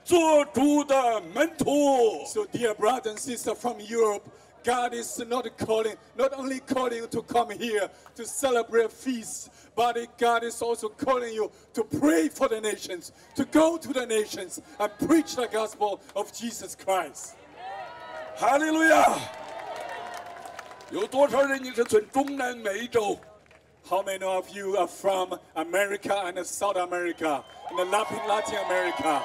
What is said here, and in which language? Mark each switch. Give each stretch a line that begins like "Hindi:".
Chinese: 耶稣也仍然在你生命中有一个最大的呼召，不是让你单单在这里，乃是要你去，是不同国家、不同民族的人去做主的门徒。
English: So dear brothers and sisters from Europe, God is not calling, not only calling you to come here to celebrate feasts, but God is also calling you to pray for the nations, to go to the nations and preach the gospel of Jesus Christ. Hallelujah!
Chinese: 有多少人你是从中南美洲?
English: How many of you are from America and South America and Latin America?